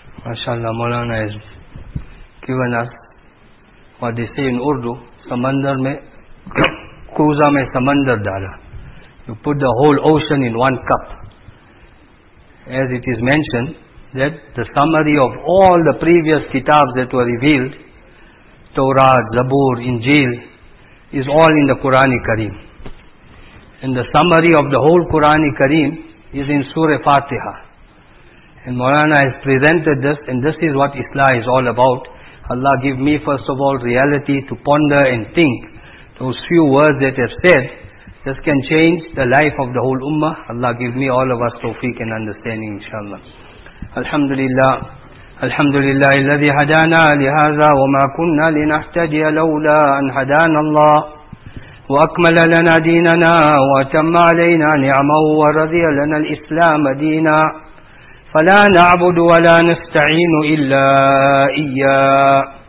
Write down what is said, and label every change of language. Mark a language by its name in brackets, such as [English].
[Urdu] ماشاءاللہ مولانا کیو N S اور دیسے ان اردو سمندر میں کوزا میں سمندر ڈالا. [English] You put the whole ocean in one cup as it is mention that the summary of all the previous کتاب that was revealed Torah Zabur Injil is all in the Quran Kareem and the summary of the whole Quran Kareem is in Surah Fatiha. And Maulana has presented this, and this is what Islah is all about. Allah give me first of all reality to ponder and think. Those few words that have said, this can change the life of the whole Ummah. Allah give me all of us tawfiq and understanding, inshallah. Alhamdulillah. [Arabic] Alhamdulillah, الَّذِي هَدَانَا لِهَذَا وَمَا كُنَّا لِنَحْتَدِيَ لَوْلَا أَنْ هَدَانَا اللَّهُ وَأَكْمَلَ لَنَا دِينَنَا وَأَتَمَّ عَلَيْنَا نِعْمَهُ وَرَضِيَ لَنَا الْإِسْلَامَ دِينًا فلا نعبد ولا نستعين إلا إياه.